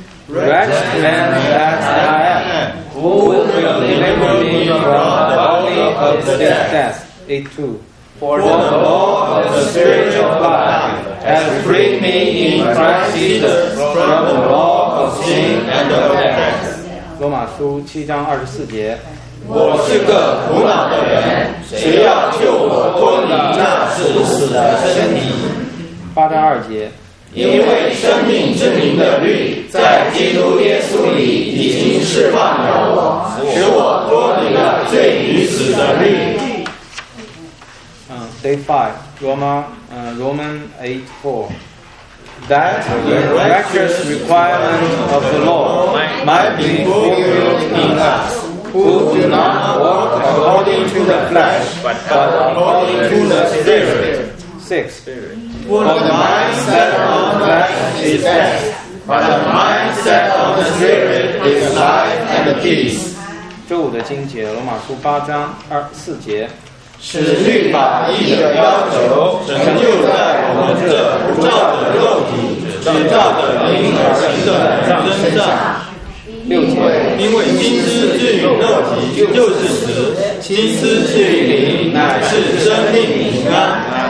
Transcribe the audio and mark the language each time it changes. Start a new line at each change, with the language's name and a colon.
English: Wretched man that I am, who will deliver me from the body of this death? 8:2. For the law of the Spirit of life has freed me in Christ Jesus from the law of sin and of death.
Chinese: 罗马书七章二十四节。我是个苦恼的人，谁要救我脱离那死死的身体？八章二节。因为生命之灵的律在基督耶稣里已经释放了我，使我脱离了罪与死的律。
English: Day 5, Romans 8:4. That the righteous requirement of the law might be fulfilled in us, who do not walk according to the flesh, but according to the Spirit. 6. For the mindset of the flesh is death, but the mindset of the Spirit is life and peace.
Chinese: 周五的经节，罗马书八章二四节。使律法义的要求成就在我们这不照着肉体，只照着灵而行的人身上。六节。因为今之至于肉体就是死，今之至于灵乃是生命平安。